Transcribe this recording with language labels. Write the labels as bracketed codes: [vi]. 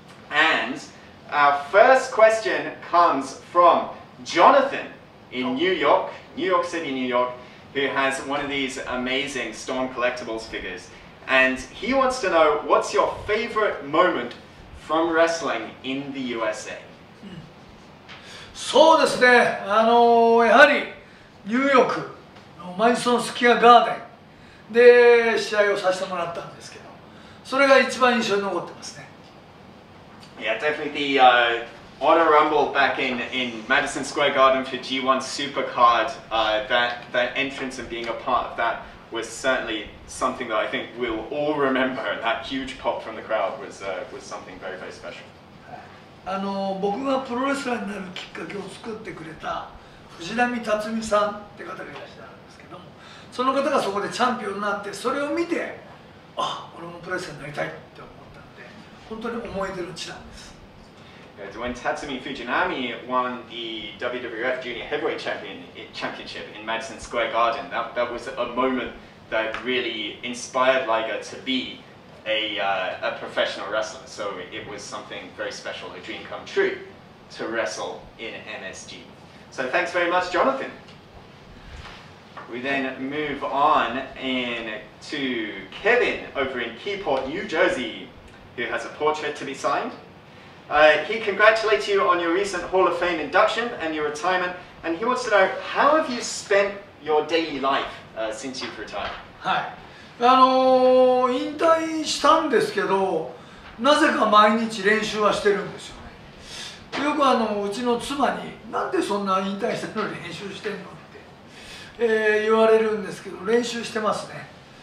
[en] And our first question comes from Jonathan in New York, New York City, New York, who has one of these amazing Storm collectibles figures. And he wants to know, what's your favorite moment from wrestling in the USA? [ja] そうですね、やはりニューヨークのマディソンスクエアガーデンで試合をさせてもらったんですけど、それが一番印象に残ってますね。 [en] Yeah, definitely the Honor Rumble back in Madison Square Garden for G1 Supercard, that entrance and being a part of that was certainly something that I think we'll all remember. That huge pop from the crowd was something very, very special. [ja] 僕がプロレスラーになるきっかけを作ってくれた藤波辰巳さんって方がいらっしゃるんですけども、その方がそこでチャンピオンになって、それを見て、あ、俺もプロレスラーになりたいって思ったので、本当に思い出の地なんです。 [en] When Tatsumi Fujinami won the WWF Junior Heavyweight Championship in Madison Square Garden, that was a moment that really inspired Liger to beA professional wrestler, so it was something very special, a dream come true to wrestle in MSG. So thanks very much, Jonathan. We then move on to Kevin over in Keyport, New Jersey, who has a portrait to be signed. He congratulates you on your recent Hall of Fame induction and your retirement, and he wants to know, how have you spent your daily life since you've retired? Hi. [ja] 引退したんですけど、なぜか毎日練習はしてるんですよね。よくうちの妻に、なんでそんな引退したのに練習してんのって、言われるんですけど、練習してますね。